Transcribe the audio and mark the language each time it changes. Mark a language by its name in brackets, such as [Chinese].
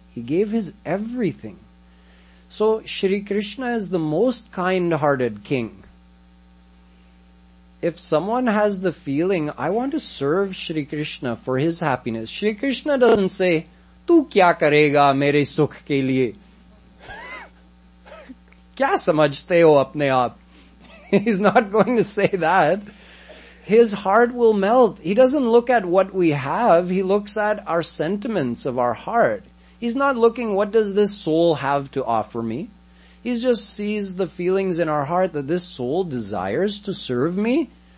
[English] He gave his everything. So Shri Krishna is the most kind-hearted king. If someone has the feeling, I want to serve Shri Krishna for his happiness, Shri Krishna doesn't say, [Hindi] Tu kya karega mere sukh ke liye? क्या समझते हो अपने आप? [English] He's not going to say that. His heart will melt. He doesn't look at what we have, he looks at our sentiments of our heart. He's not looking, what does this soul have to offer me? He just sees the feelings in our heart that this soul desires to serve me.